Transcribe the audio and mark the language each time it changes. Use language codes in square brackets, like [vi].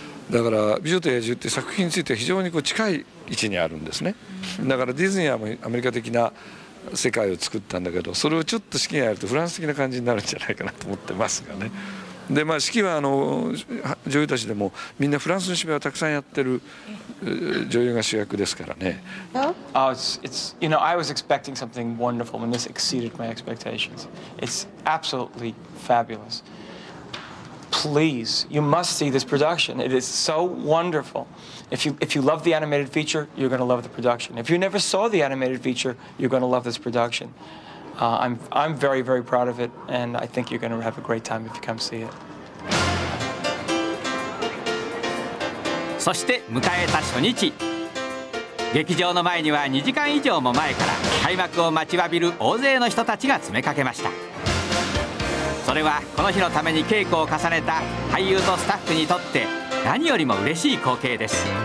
[ja] だから美女と野獣って作品については非常にこう近い位置にあるんですね。だからディズニーはアメリカ的な世界を作ったんだけど、それをちょっと式がやるとフランス的な感じになるんじゃないかなと思ってますがね。でまあ式はあの女優たちでもみんなフランスの芝居をたくさんやってる女優が主役ですからね。 [en] It's, you know, I was expecting something wonderful and this exceeded my expectations. It's absolutely fabulous. Please, you must see this production. It is so wonderful. If you love the animated feature, you're going to love the production. If you never saw the animated feature, you're going to love this production. I'm very, very proud of it, and I think you're going to have a great time if you come see it. [ja] そして迎えた初日、劇場の前には2時間以上も前から開幕を待ちわびる大勢の人たちが詰めかけました。それはこの日のために稽古を重ねた俳優とスタッフにとって何よりも嬉しい光景です。